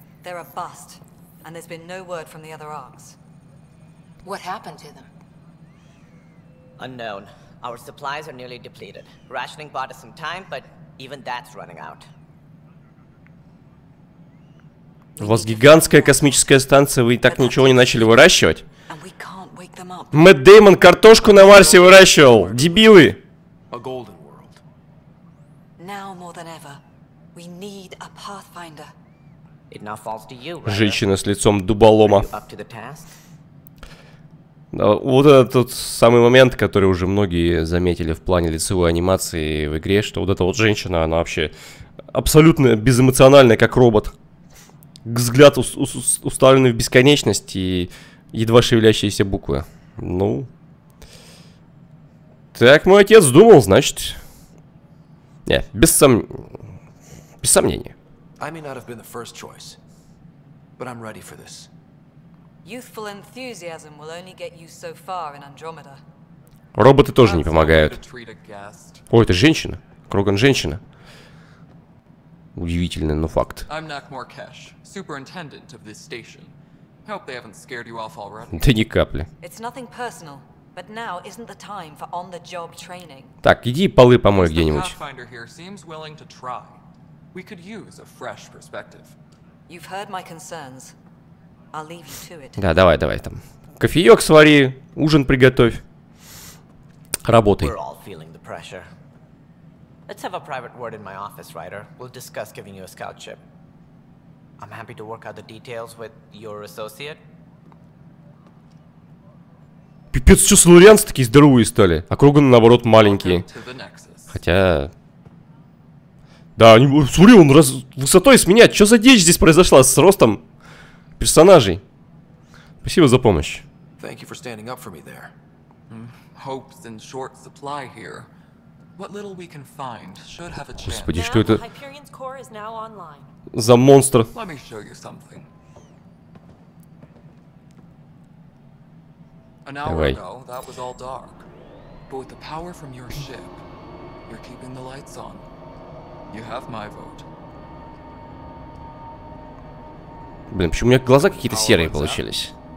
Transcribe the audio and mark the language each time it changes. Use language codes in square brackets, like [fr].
[en] They're a bust, and there's been no word from the other arcs. What happened to them? Unknown. Our supplies are nearly depleted. Rationing bought us some time, but even that's running out. [ru] У вас гигантская космическая станция, вы и так ничего не начали выращивать? Мэтт Дэймон картошку на Марсе выращивал, дебилы! [en] A golden world. Now more than ever, we need a pathfinder. It now falls to you. [ru] Женщина с лицом дуболома. Да, вот этот тот самый момент, который уже многие заметили в плане лицевой анимации в игре, что вот эта вот женщина, она вообще абсолютно безэмоциональная, как робот. Взгляд уставленный в бесконечность и едва шевелящиеся буквы. Ну. Так мой отец думал, значит. Не, без сомнения. [en] I may not have been the first choice, but I'm ready for this. Youthful enthusiasm will only get you so far in Andromeda. [ru] Роботы тоже не помогают. О, это женщина. Кроган женщина. Удивительно, но факт. [en] I'm Nakmor Kesh, superintendent of this station. Hope they haven't scared you off already. [ru] Да ни капли. [en] It's nothing personal, but now isn't the time for on-the-job training. [ru] Так, иди полы помой где-нибудь. [en] The Pathfinder here seems willing to try. We could use a fresh perspective. You've heard my concerns. I'll leave you to it. [ru] Да, давай, давай там. Кофеёк свари, ужин приготовь. Работай. [en] We're all feeling the pressure. Let's have a private word in my office, Ryder. We'll discuss giving you a scoutship. I'm happy to work out the details with your associate. [ru] Пипец, что солурианцы такие здоровые стали, а Кроган наоборот маленькие. Хотя... Да, они, смотри, он раз высотой с меня. Что за дичь здесь произошла с ростом персонажей? Спасибо за помощь. [en] Thank you for standing up for me there. Hope's in short supply here. What little we can find should have a chance. [ru] Господи, что это? [en] Hyperion's core is now online. [ru] За монстр. [en] Let me show you something. An hour ago, that was all dark. But with the power from your ship, you're keeping the lights on. You have my vote. [ru] Блин, почему у меня глаза какие-то серые получились?